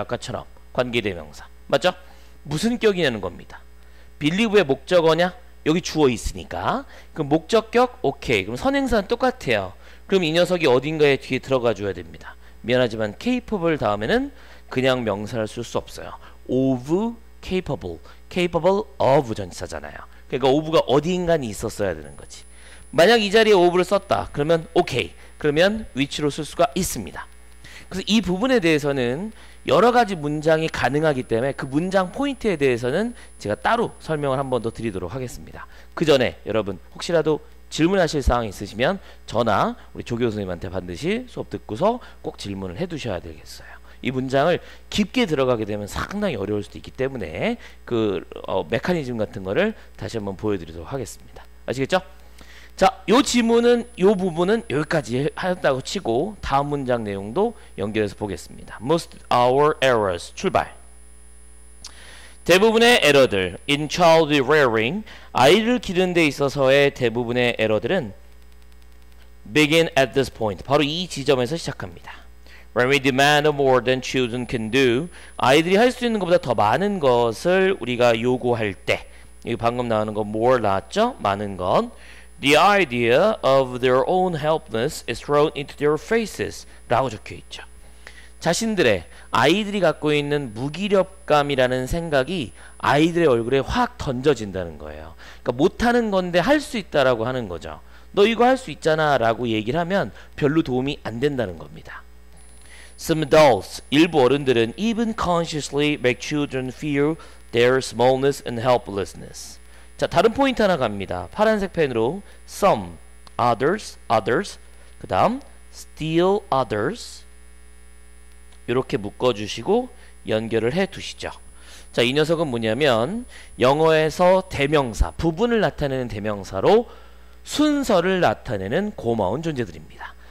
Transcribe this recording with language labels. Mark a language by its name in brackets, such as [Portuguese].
[Korean] 아까처럼 관계대명사 맞죠? 무슨 격이냐는 겁니다. believe의 목적어냐? 여기 주어 있으니까. 그럼 목적격? 오케이. 그럼 선행사는 똑같아요. 그럼 이 녀석이 어딘가에 뒤에 들어가 줘야 됩니다. 미안하지만 capable 다음에는 그냥 명사를 쓸 수 없어요. of capable, capable of 전치사잖아요. 그러니까 of가 어딘가에 있었어야 되는 거지. 만약 이 자리에 of를 썼다 그러면 오케이, 그러면 위치로 쓸 수가 있습니다. 그래서 이 부분에 대해서는 여러 가지 문장이 가능하기 때문에 그 문장 포인트에 대해서는 제가 따로 설명을 한 번 더 드리도록 하겠습니다. 그 전에 여러분 혹시라도 질문하실 사항이 있으시면 저나 우리 조교수님한테 반드시 수업 듣고서 꼭 질문을 해두셔야 되겠어요. 이 문장을 깊게 들어가게 되면 상당히 어려울 수도 있기 때문에 그 메커니즘 같은 거를 다시 한번 보여드리도록 하겠습니다. 아시겠죠? 자, 요 지문은 요 부분은 여기까지 하였다고 치고 다음 문장 내용도 연결해서 보겠습니다. [English] Most our errors [Korean] 출발. 대부분의 에러들 [English] in child rearing [Korean] 아이를 기르는 데 있어서의 대부분의 에러들은 [English] begin at this point [Korean] 바로 이 지점에서 시작합니다. [English] When we demand more than children can do [Korean] 아이들이 할 수 있는 것보다 더 많은 것을 우리가 요구할 때 여기 방금 나오는 거 more 나왔죠? 많은 건 [English] The idea of their own helpless is thrown into their faces [Korean] 라고 적혀있죠. 자신들의 아이들이 갖고 있는 무기력감이라는 생각이 아이들의 얼굴에 확 던져진다는 거예요. 그러니까 못하는 건데 할 수 있다라고 하는 거죠. 너 이거 할 수 있잖아 라고 얘기를 하면 별로 도움이 안 된다는 겁니다. [English] Some adults, [Korean] 일부 어른들은 [English] even consciously make children feel their smallness and helplessness. [Korean] 자, 다른 포인트 하나 갑니다. 파란색 펜으로 some, others, 그 다음 still others 이렇게 묶어주시고 연결을 해두시죠. 자, 이 녀석은 뭐냐면 영어에서 대명사, 부분을 나타내는 대명사로 순서를 나타내는 고마운 존재들입니다.